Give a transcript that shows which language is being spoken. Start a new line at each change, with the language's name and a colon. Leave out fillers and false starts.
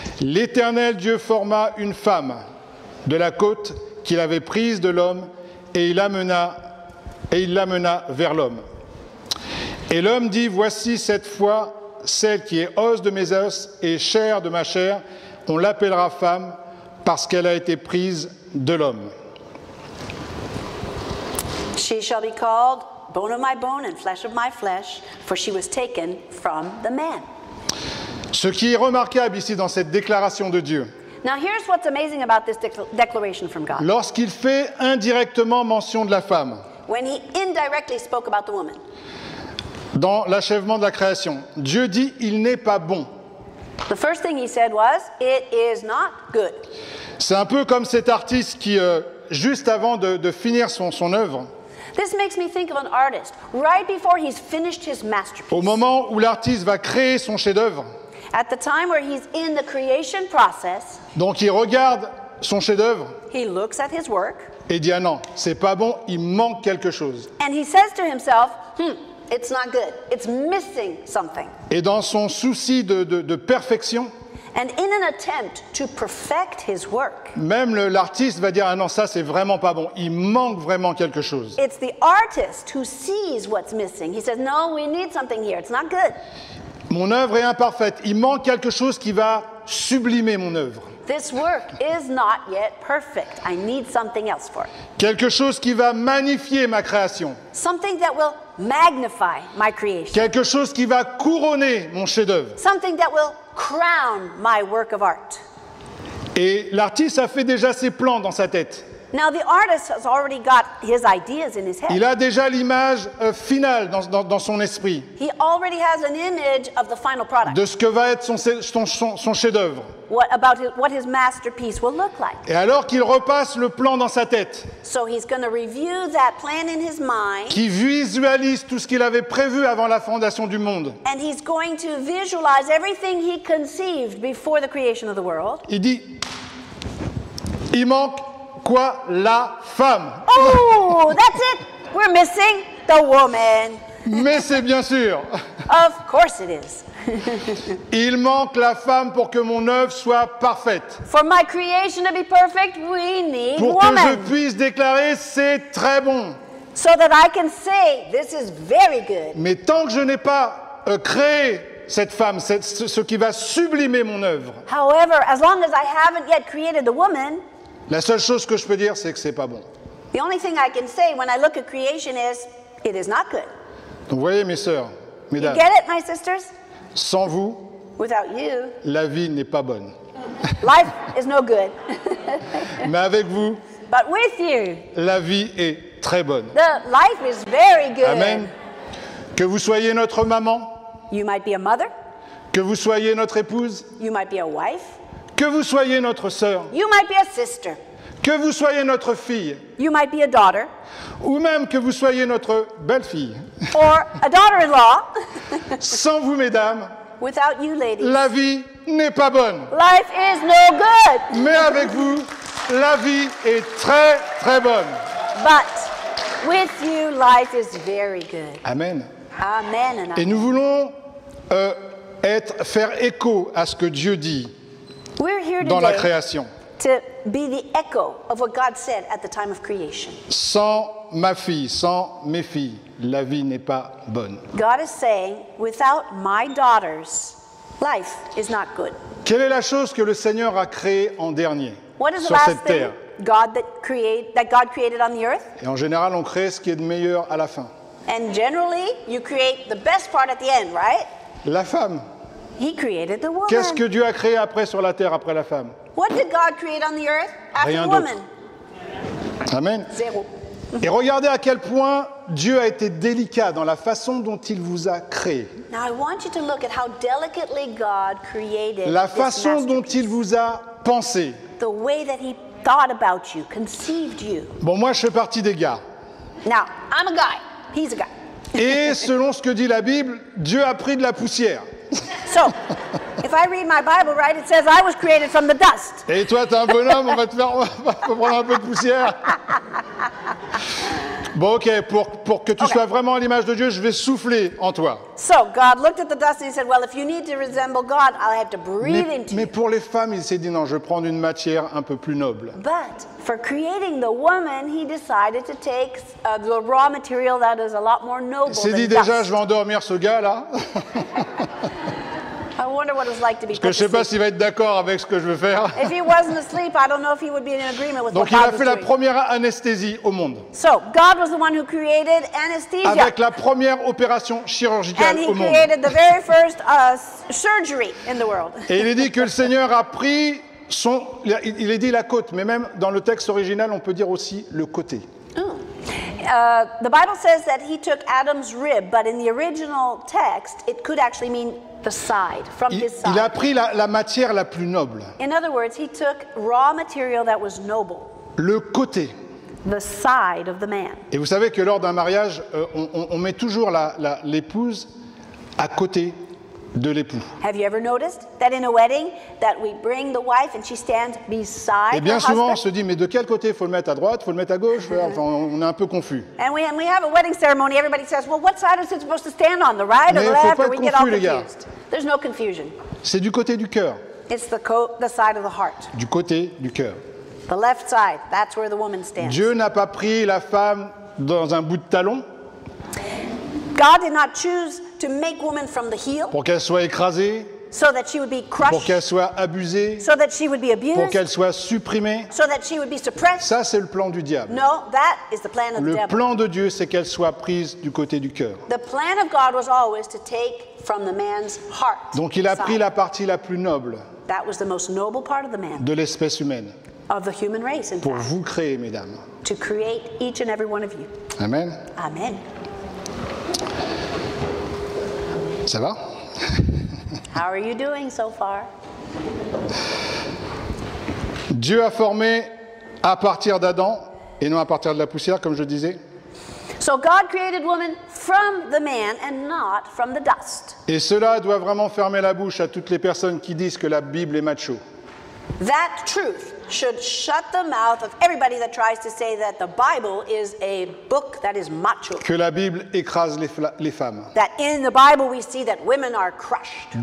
French: L'Éternel Dieu forma une femme de la côte qu'il avait prise de l'homme, et il l'amena vers l'homme. Et l'homme dit, « Voici cette fois celle qui est os de mes os et chair de ma chair, on l'appellera femme parce qu'elle a été prise de l'homme. »
English: She shall be called bone of my bone and flesh of my flesh, for she was taken from the man.
French: Ce qui est remarquable ici dans cette déclaration de Dieu.
English: Now here's what's amazing about this declaration from God.
French: Lorsqu'il fait indirectement mention de la femme.
English: When he indirectly spoke about the woman.
French: Dans l'achèvement de la création, Dieu dit il n'est pas bon.
English: The first thing he said was it is not good.
French: C'est un peu comme cet artiste qui juste avant de finir son œuvre.
English: This makes me think of an artist right before he's finished his masterpiece.
French: Au moment où l'artiste va créer son chef-d'œuvre.
English: At the time where he's in the creation process.
French: Donc il regarde son chef-d'œuvre.
English: He looks at his work.
French: Et dit ah non, c'est pas bon, il manque quelque chose.
English: And he says to himself, it's not good. It's missing something.
French: Et dans son souci de perfection.
English: And in an attempt to perfect his work.
French: Même l'artiste va dire ah non, ça c'est vraiment pas bon, il manque vraiment quelque chose.
English: It's the artist who sees what's missing. He says, no, we need something here. It's not good.
French: Mon œuvre est imparfaite, il manque quelque chose qui va sublimer mon œuvre.
English: This work is not yet perfect. I need something else for it.
French: Quelque chose qui va magnifier ma création.
English: Something that will magnify my creation.
French: Quelque chose qui va couronner mon chef-d'œuvre.
English: Something that will crown my work of art.
French: Et l'artiste a fait déjà ses plans dans sa tête.
English: Now the artist has already got his ideas in his head.
French: Il a déjà l'image finale dans son esprit.
English: He already has an image of the final product.
French: De ce que va être son chef-d'œuvre.
English: What his masterpiece will look like.
French: Et alors qu'il repasse le plan dans sa tête.
English: So he's going to review that plan in his mind.
French: Qui visualise tout ce qu'il avait prévu avant la fondation du monde.
English: And he's going to visualize everything he conceived before the creation of the world.
French: Il dit, il manque quoi, la femme.
English: Oh, that's it. We're missing the woman.
French: Mais c'est bien sûr.
English: Of course it is.
French: Il manque la femme pour que mon œuvre soit parfaite.
English: For my creation to be perfect, we need
French: pour
English: woman.
French: Pour que je puisse déclarer, c'est très bon.
English: So that I can say, this is very good.
French: Mais tant que je n'ai pas créé cette femme, ce qui va sublimer mon œuvre.
English: However, as long as I haven't yet created the woman.
French: La seule chose que je peux dire, c'est que c'est pas bon.
English: The only thing I can say when I look at creation is, it is not good.
French: Vous voyez, mes sœurs, mes dames.
English: You get it, my sisters?
French: Sans vous,
English: without you,
French: la vie n'est pas bonne.
English: Life is no good.
French: Mais avec vous,
English: but with you,
French: la vie est très bonne.
English: The life is very good.
French: Amen. Que vous soyez notre maman.
English: You might be a mother.
French: Que vous soyez notre épouse.
English: You might be a wife.
French: Que vous soyez notre sœur.
English: You might be a sister.
French: Que vous soyez notre fille.
English: You might be a daughter.
French: Ou même que vous soyez notre belle-fille.
English: Or a daughter-in-law.
French: Sans vous, mesdames.
English: Without you, ladies.
French: La vie n'est pas bonne.
English: Life is no good.
French: Mais avec vous, la vie est très, très bonne.
English: But with you, life is very good.
French: Amen.
English: Amen. And
French: et nous voulons faire écho à ce que Dieu dit.
English: We're here
French: dans la création.
English: To be the echo of what God said at the time of creation.
French: Sans ma fille, sans mes filles, la vie n'est pas bonne.
English: God is saying, without my daughters, life is not good.
French: Quelle est la chose que le Seigneur a créée en dernier?
English: What is
French: sur
English: the last
French: cette terre?
English: Thing God that create that God created on the earth.
French: Et en général, on crée ce qui est de meilleur à la fin.
English: And generally, you create the best part at the end, right?
French: La femme.
English: He created the woman.
French: Qu'est-ce que Dieu a créé après sur la terre après la femme?
English: What did God create on the earth after
French: Rien
English: the woman? Amen.
French: Zéro. Et regardez à quel point Dieu a été délicat dans la façon dont il vous a créé.
English: Now I want you to look at how delicately God created.
French: La façon dont il vous a pensé.
English: The way that he thought about you, conceived you.
French: Bon, moi je fais partie des gars.
English: Now, I'm a guy. He's a guy.
French: Et selon ce que dit la Bible, Dieu a pris de la poussière.
English: So, if I read my Bible right, it says I was created from the dust.
French: Et toi, t'es un bonhomme, on va prendre un peu de poussière. Bon, ok, pour que tu okay. sois vraiment à l'image de Dieu, je vais souffler en toi.
English: So, God looked at the dust and he said, well, if you need to resemble God, I'll have to breathe into you.
French: Mais pour les femmes, il s'est dit, non, je vais prendre une matière un peu plus noble.
English: But, for creating the woman, he decided to take the raw material that is a lot more noble than dust.
French: Il s'est dit, déjà, je vais endormir ce gars-là.
English: I wonder what it was like to be
French: Parce que je ne sais pas s'il va être d'accord avec ce que je veux faire.
English: If he wasn't asleep, I don't know if he would be in agreement with
French: Donc
English: what God
French: Donc il a fait la première anesthésie au monde.
English: So, God was the one who created anesthesia.
French: Avec la première opération chirurgicale au monde.
English: And he created the very first surgery in the world.
French: Et il est dit que le Seigneur a pris son... Il est dit la côte, mais même dans le texte original, on peut dire aussi le côté.
English: The Bible says that he took Adam's rib, but in the original text, it could actually mean the side, from his side.
French: Il a pris la matière la plus noble.
English: In other words, he took raw material that was noble.
French: Le côté.
English: The side of the man.
French: Et vous savez que lors d'un mariage, on met toujours l'épouse à côté de l'époux.
English: Have you ever noticed that in a wedding, that we bring the wife and she stands beside
French: Et bien souvent,
English: husband?
French: On se dit, mais de quel côté faut le mettre à droite, faut le mettre à gauche, enfin, on est un peu confus.
English: And we have a wedding ceremony, everybody says, well, what side is it supposed to stand on, the right
French: mais
English: or the left,
French: faut pas
English: or we
French: confus,
English: get all confused.
French: Gars.
English: There's no confusion.
French: C'est du côté du cœur.
English: It's the side of the heart.
French: Du côté du cœur.
English: The left side, that's where the woman stands.
French: Dieu n'a pas pris la femme dans un bout de talon.
English: God did not choose to make woman from the heel.
French: Pour qu'elle soit écrasée.
English: So that she would be crushed.
French: Pour qu'elle soit abusée.
English: So that she would be abused.
French: Pour qu'elle soit supprimée.
English: So that she would be suppressed.
French: Ça, c'est le plan du diable.
English: No, that is the plan of the devil.
French: Le plan de Dieu, c'est qu'elle soit prise du côté du cœur.
English: The plan of God was always to take from the man's heart.
French: Donc, il a pris la partie la plus noble.
English: That was the most noble part of the man.
French: De l'espèce humaine.
English: Of the human race, in fact.
French: Pour vous créer, mesdames.
English: To create each and every one of you.
French: Amen.
English: Amen.
French: Ça va?
English: How are you doing so far?
French: Dieu a formé à partir d'Adam et non à partir de la poussière, comme je disais.
English: So God created woman from the man and not from the dust.
French: Et cela doit vraiment fermer la bouche à toutes les personnes qui disent que la Bible est macho.
English: That truth should shut the mouth of everybody that tries to say that the Bible is a book that is macho.
French: Que la Bible écrase les femmes.
English: That in the Bible we see that women are crushed.